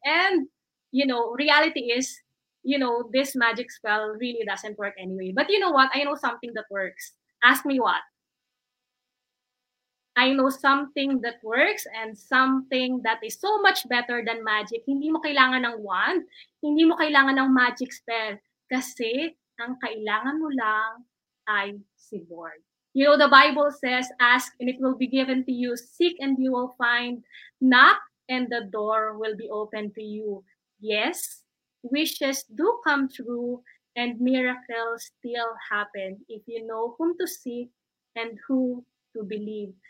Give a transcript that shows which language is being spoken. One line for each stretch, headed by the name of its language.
English: And, you know, reality is, you know, this magic spell really doesn't work anyway. But you know what? I know something that works. Ask me what. I know something that works and something that is so much better than magic.
Filipino: Hindi mo kailangan ng wand. Hindi mo kailangan ng magic spell. Kasi ang kailangan mo lang ay si Lord.
English: You know, the Bible says, ask and it will be given to you. Seek and you will find. Knock and the door will be opened to you. Yes, wishes do come true. And miracles still happen if you know whom to seek and who to believe.